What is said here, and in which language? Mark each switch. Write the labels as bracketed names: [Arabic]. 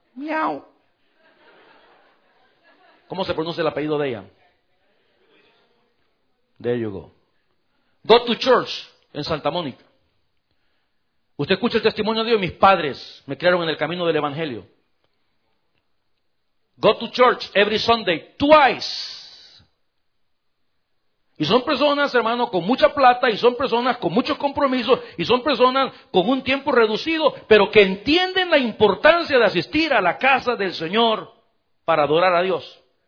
[Spanish] Miau. ¿Cómo se pronuncia el apellido de ella? [English] There you go. Go to church en Santa Mónica. [Spanish] Usted escucha el testimonio de Dios. Mis padres me criaron en el camino del Evangelio. [English] Go to church every Sunday, twice. [Spanish] Y son personas, hermano, con mucha plata, y son personas con muchos compromisos, y son personas con un tiempo reducido, pero que entienden la importancia de asistir a la casa del Señor para adorar a Dios.